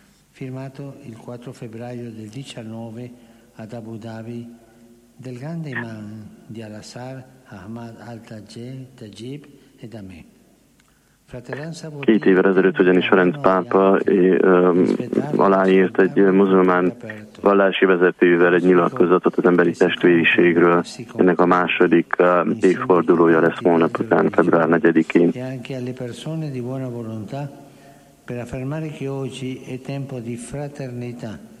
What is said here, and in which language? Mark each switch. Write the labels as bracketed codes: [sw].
[it] Firmato il 4 febbraio del 19 ad Abu Dhabi del grande imam di Al-Azhar Ahmad al-Tajib e da me. Fratellanza vuol dire. [hu] Két évvel ezelőtt ugyanis Ferenc pápa aláírt egy muzulmán vallási vezetővel egy nyilatkozatot az emberi testvériségről. Ennek a második évfordulója lesz holnap után, február 4-én. [it] E anche alle persone di buona volontà. Per affermare che oggi è tempo di fraternità.